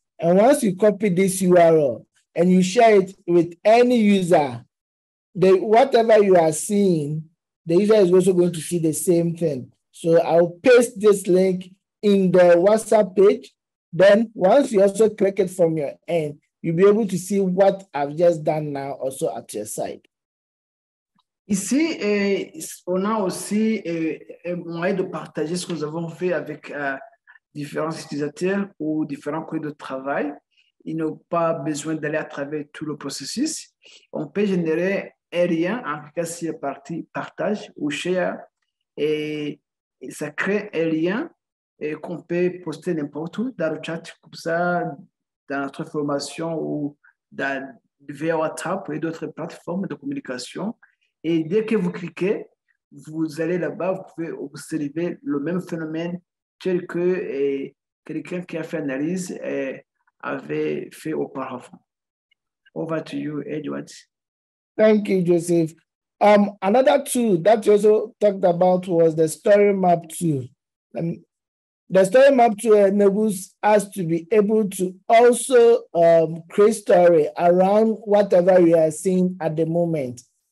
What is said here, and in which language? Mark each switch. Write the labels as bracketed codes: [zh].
[en] And once you copy this URL and you share it with any user, whatever you are seeing, the user is also going to see the same thing. So I'll paste this link in the WhatsApp page. Then once you also click it from your end, you'll be able to see what I've just done now also at your site. [fr] Ici, on a aussi un moyen de partager ce que nous avons fait avec différents utilisateurs ou différents collègues de travail. Ils n'ont pas besoin d'aller à travers tout le processus. On peut générer un lien, en tout cas si la partie partage ou share, et ça crée un lien et qu'on peut poster n'importe où dans le chat, comme ça, dans notre formation ou via WhatsApp et d'autres plateformes de communication. Et dès que vous cliquez, vous allez là-bas, vous pouvez observer le même phénomène tel que quelqu'un qui a fait l'analyse avait fait auparavant. [en] Over to you, Edward. Thank you, Joseph. Another tool that you also talked about was the story map tool. The story map tool enables us to be able to also create story around whatever we are seeing at the moment.